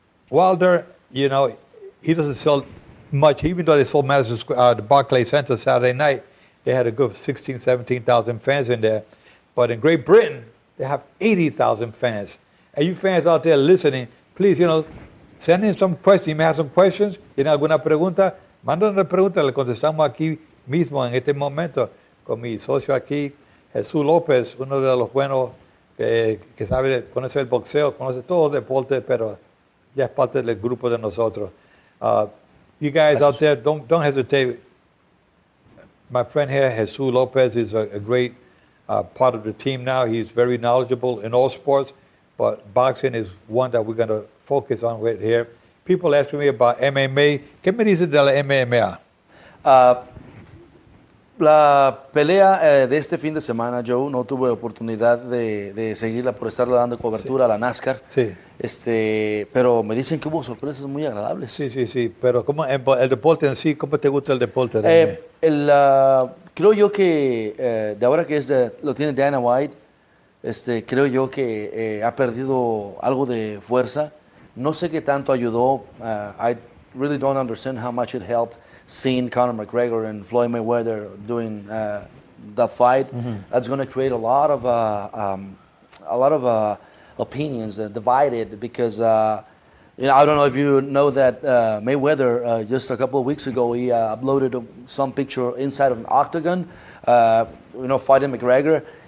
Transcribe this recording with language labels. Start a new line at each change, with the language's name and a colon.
English: Wilder, you know, he doesn't sell much. Even though they sold Madison Square, the Barclays Center Saturday night, they had a good 16,000-17,000 fans in there. But in Great Britain, they have 80,000 fans. And you fans out there listening, please, you know, send in some questions. You may have some questions.
Spanish: ¿Tiene alguna pregunta? Mándanos una pregunta. Le contestamos aquí mismo, en este momento, con mi socio aquí, Jesús López, uno de los buenos que sabe, conoce el boxeo, conoce todos los deportes, pero ya es parte del grupo de nosotros.
English: You guys out there, don't hesitate. My friend here, Jesús López, is a great part of the team now. He's very knowledgeable in all sports. But boxing is one that we're going to focus on right here. People ask me about MMA.
Spanish: ¿Qué me dice de la MMA? La pelea de este fin de semana, Joe, no tuve oportunidad de seguirla por estarle dando cobertura a la NASCAR. Sí. Pero me dicen que hubo sorpresas muy agradables. Sí. Pero ¿cómo el deporte en sí? ¿Cómo te gusta el deporte de mí? Creo yo que de ahora que lo tiene Dana White, creo yo que ha perdido algo de fuerza. No sé qué tanto ayudó.
English: I really don't understand how much it helped seeing Conor McGregor and Floyd Mayweather doing that fight. Mm-hmm. That's going to create a lot of opinions divided because I don't know if you know that Mayweather just a couple of weeks ago he uploaded some picture inside of an octagon, fighting McGregor